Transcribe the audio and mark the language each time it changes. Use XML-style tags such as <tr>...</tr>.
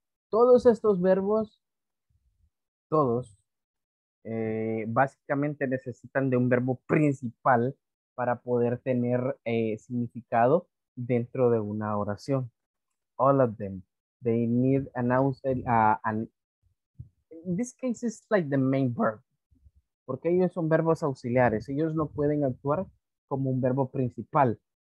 <es>Todos estos verbos, todos, básicamente necesitan de un verbo principal para poder tener significado dentro de una oración.</es> <en>All of them. They need an auxiliary. In this case, it's like the main verb.</en> <es>Porque ellos son verbos auxiliares. Ellos no pueden actuar como un verbo principal.</es>